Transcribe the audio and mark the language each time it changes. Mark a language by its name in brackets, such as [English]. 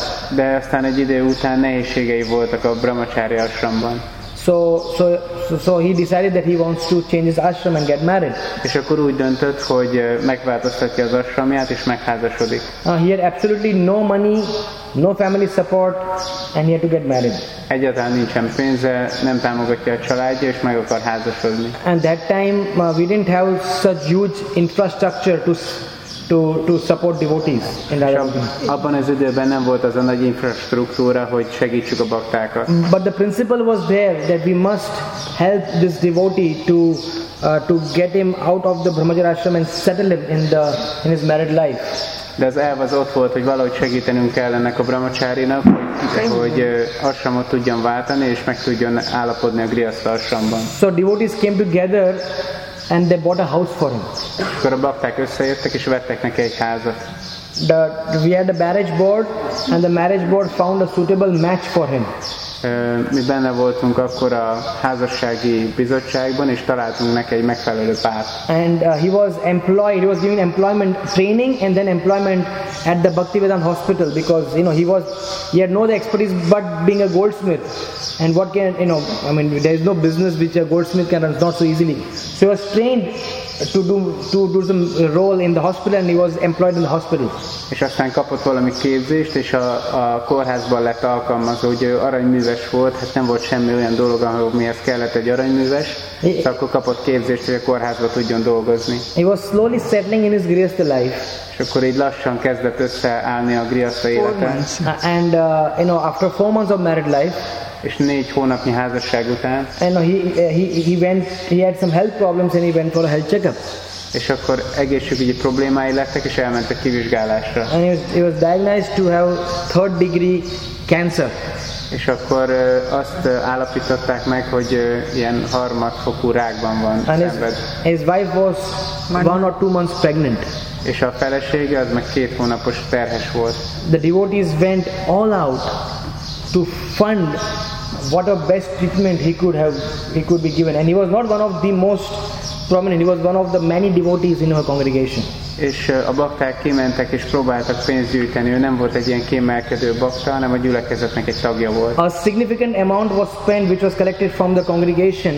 [Hungarian] De aztán egy idő után nehézségei voltak a brahmachari ashramban. [English] So he decided that he wants to change his ashram and get married. [Hungarian] És akkor úgy döntött, hogy megváltoztatja az ashramját és megházasodik. [English] He had absolutely no money, no family support, and he had to get married. [Hungarian] Egyáltalán nincsen pénze, nem támogatja a családja, és meg akar házasodni. [English] And that time we didn't have such huge infrastructure to support devotees in Radhanath. [Hungarian] Abban az időben nem volt az a nagy infrastruktúra, hogy segítsük a baktákat. [English] But the principle was there that we must help this devotee to get him out of the brahmacharya ashram and settle him in his married life. [Hungarian] De az elv az ott volt, hogy valahogy segítenünk kell ennek a brahmacharinak, hogy ashramot tudjon váltani és meg tudjon állapodni a grihasztha ashramban. [English] So devotees came together and they bought a house for him. [Hungarian] Akkor a bakták összejöttek és vettek neki egy házat. [English] We had a marriage board, and the marriage board found a suitable match for him. [Hungarian] Mi benne voltunk akkor a házassági bizottságban, és találtunk neki egy megfelelő párt. [English] And he was employed. He was given employment training and then employment at the Bhaktivedanta Hospital because he had no expertise but being a goldsmith. And what can there is no business which a goldsmith can run, not so easily. So he was trained to do some role in the hospital, and he was employed in the hospital. [Hungarian] És aztán kapott valami képzést, és a kórházban lett alkalmazva, hogy aranyműves volt, hát nem volt semmi olyan dolog, amihez kellett egy aranyműves, és akkor kapott képzést, hogy a kórházban tudjon dolgozni. [English] He was slowly settling in his grihastha life. [Hungarian] És akkor így lassan kezdett összeállni a grihastha élete. [English] And after 4 months of married life, [Hungarian] és 4 hónapnyi házasság után, [English] and he had some health problems and he went for a health checkup. [Hungarian] És akkor egészségügyi problémái lettek, és elment a kivizsgálásra. [English] And he was diagnosed to have 3rd-degree cancer. [Hungarian] És akkor azt állapították meg, hogy ilyen harmadfokú rákban van szenved. [English] His wife was 1 or 2 months pregnant. [Hungarian] És a felesége az meg 2 hónapos terhes volt. [English] The devotees went all out to fund what a best treatment he could be given, and he was not one of the most prominent, he was one of the many devotees in her congregation. [Hungarian] és a bakták kimentek és próbáltak pénzt gyűjteni. Ő nem volt egy ilyen kémelkedő bakta, hanem a gyülekezetnek egy tagja volt. [English] A significant amount was spent which was collected from the congregation.